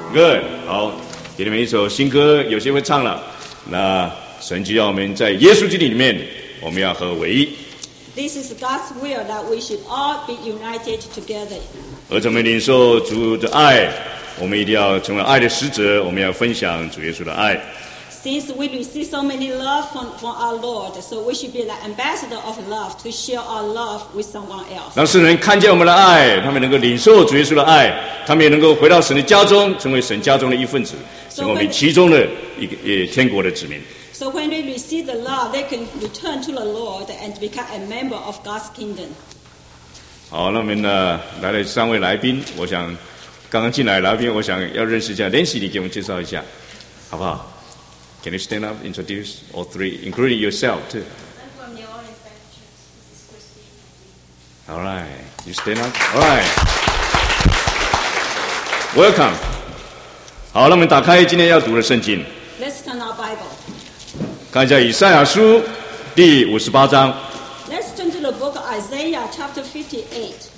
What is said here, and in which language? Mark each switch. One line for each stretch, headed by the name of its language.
Chinese: Good， 好，给你们一首新歌，有些会唱了。那神就要我们在耶稣基督里面，我们要合为一。
English: This is God's will that we should all be united together.
Chinese: 而我们领受主的爱。我们一定要成为爱的使者，我们要分享主耶稣的爱。
English: Since we receive so many love from our Lord, so we should be the ambassador of love to share our love with someone else.
Chinese: 让世人看见我们的爱，他们能够领受主耶稣的爱，他们也能够回到神的家中，成为神家中的一份子，成为我们其中的一个天国的子民。
English: So when they receive the love, they can return to the Lord and become a member of God's kingdom.
Chinese: 好，那我们呢，来了三位来宾，我想。刚刚进来的来宾，我想要认识一下，练习你给我们介绍一下，好不好 ？
English: Can you stand up, introduce all three, including yourself too? I'm from New Orleans Baptist Church. This is Christine. All right, you stand up. All right, welcome.
Chinese: 好，那我们打开今天要读的圣经。
English: Let's turn our Bible.
Chinese: 看一下以赛亚书第五十八章。
English: Let's turn to the book of Isaiah, chapter 58.